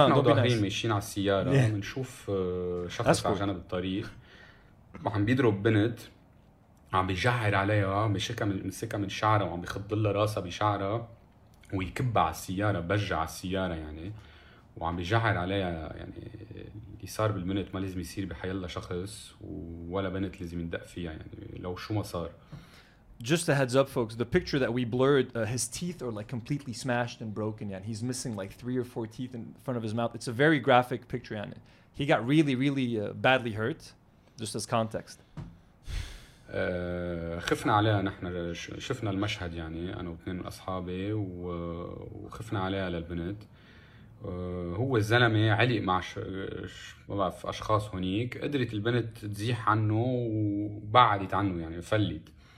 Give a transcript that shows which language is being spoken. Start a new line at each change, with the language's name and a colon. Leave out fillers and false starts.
Arabic: عندهم بنات ظاهرين ماشيين على السيارة بنشوف شخص على جنب الطريق عم بيضرب بنت عم بيجعر عليها عم بيمسكها من شعرها وعم بيخض لها راسها بشعرها ويكبها على السيارة بجع على السيارة يعني وعم بيجعر عليها يعني اللي صار بالبنت ما لازم يصير بحي الله شخص ولا بنت لازم ندق فيها يعني لو شو ما صار
English: Just a heads up, folks, the picture that we blurred, his teeth are like completely smashed and broken. Yeah, and he's missing like three or four teeth in front of his mouth. It's a very graphic picture. Yeah. He got really, really badly hurt, just as context.
Arabic: خفنا عليها نحن شفنا المشهد يعني أنا واثنين أصحابي وخفنا عليها للبنت. هو الزلمة علق مع ما بعرف أشخاص هنيك قدرت البنت تزيح عنه وبعدت عنه يعني فلت.